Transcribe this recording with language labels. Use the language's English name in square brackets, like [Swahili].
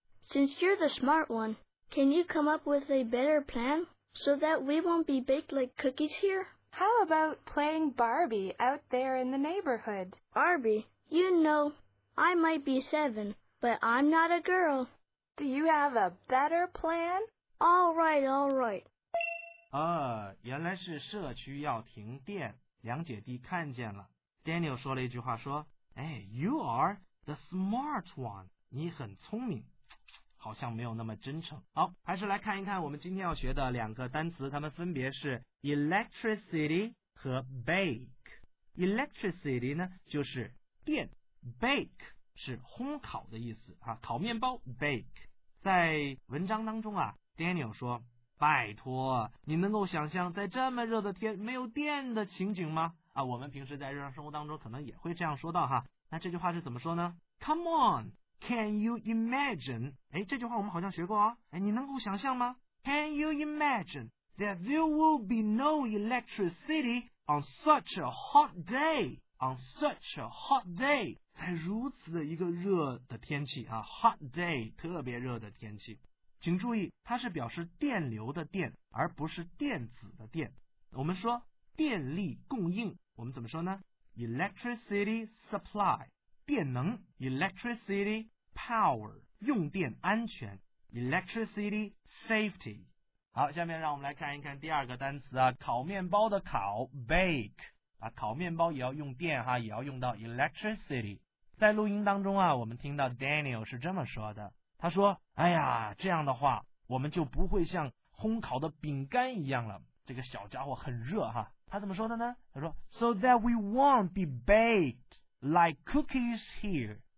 [English] Since you're the smart one, can you come up with a better plan so that we won't be baked like cookies here? How about playing Barbie out there in the neighborhood? Barbie? You know, I might be 7, but I'm not a girl. Do you have a better plan? All right. [Chinese] 原来是社区要停电，两姐弟看见了。 Daniel 说了一句话说，哎 , [English] You are the smart one. [Chinese] 你很聪明。好像没有那么真诚。好，还是来看一看我们今天要学的两个单词，它们分别是 electricity 和 bake。 electricity 呢就是电， bake 是烘烤的意思啊，烤面包 bake。在文章当中啊， Daniel 说，拜托，你能够想象在这么热的天没有电的情景吗？啊，我们平时在日常生活当中可能也会这样说到哈。那这句话是怎么说呢？ [English] Come onCan you imagine? [Chinese] 哎，这句话我们好像学过啊。哎，你能够想象吗？ [English] Can you imagine that there will be no electricity on such a hot day? On such a hot day, [Chinese] 在如此的一个热的天气啊， hot day 特别热的天气，请注意，它是表示电流的电，而不是电子的电。我们说电力供应，我们怎么说呢？ [English] Electricity supply. 电能 electricity power 用电安全 electricity safety。 [Chinese] 好，下面让我们来看一看第二个单词啊，烤面包的烤 bake 啊，烤面包也要用电哈，也要用到 electricity。在录音当中啊，我们听到 Daniel 是这么说的，他说，哎呀，这样的话我们就不会像烘烤的饼干一样了，这个小家伙很热哈，他怎么说的呢？他说 [English] So that we won't be baked like cookies here.